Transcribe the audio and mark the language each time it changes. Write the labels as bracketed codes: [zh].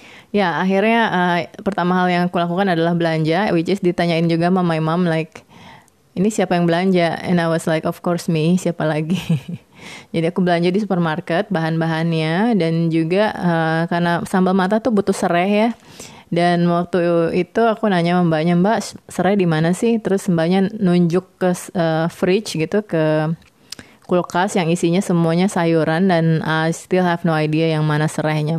[id] Ya, akhirnya pertama hal yang aku lakukan adalah belanja, [en] which is [id] ditanyain juga sama [en] my mom, like, [id] ini siapa yang belanja? [en] And I was like, of course me, [id] siapa lagi? Jadi aku belanja di supermarket bahan-bahannya, dan juga karena sambal matah tuh butuh serai ya. Dan waktu itu aku nanya sama mbaknya, mbak, serai di mana sih? Terus mbaknya nunjuk ke fridge gitu, ke kulkas yang isinya semuanya sayuran, dan [en] I still have no idea [id] yang mana serainya.